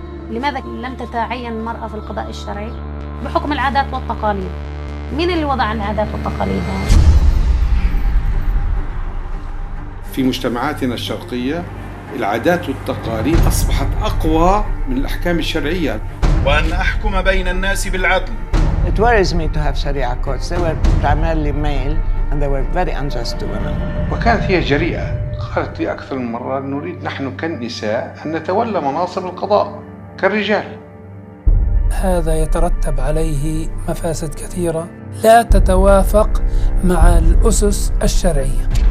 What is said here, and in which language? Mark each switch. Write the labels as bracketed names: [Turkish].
[Arabic] لماذا لم تتعين المرأة في القضاء الشرعي؟ بحكم العادات والتقاليد. مين اللي وضع العادات والتقاليد؟ في مجتمعاتنا الشرقية العادات والتقاليد أصبحت أقوى من الأحكام الشرعية. وأن أحكم بين الناس بالعدل. [English] It worries me to have Sharia courts. They were primarily male and they were very unjust to women. [Arabic] وكانت هي جريئة. قالت لي أكثر من مرة نريد نحن كالنساء أن نتولى مناصب القضاء. كالرجال هذا يترتب عليه مفاسد كثيرة لا تتوافق مع الأسس الشرعية.